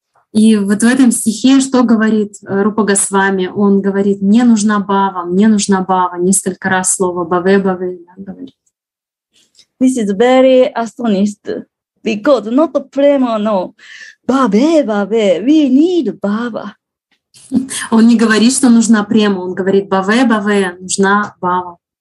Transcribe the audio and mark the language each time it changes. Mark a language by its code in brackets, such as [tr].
[ru] И вот в этом стихе что говорит Рупа Госвами? Он говорит, мне нужна Бава. Несколько раз слово бхаве говорит. [en] This is very astonished because not prema, no. Бабе, we need Baba. [ru] Он не говорит, что нужна према, он говорит бабе, нужна Бава.